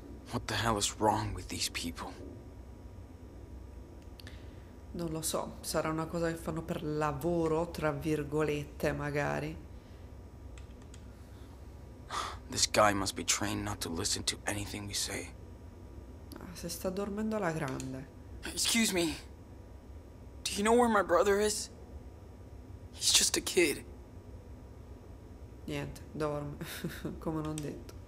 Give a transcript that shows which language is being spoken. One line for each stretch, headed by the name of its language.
English: What the hell is wrong with these people?
Italian: Non lo so, sarà una cosa che fanno per lavoro, tra virgolette, magari.
English: This guy must be trained not to listen to anything we say.
Italian: Ah, se sta dormendo alla grande.
English: Excuse me. Do you know where my brother is? He's just a kid.
Italian: Niente, dorme. Come non detto.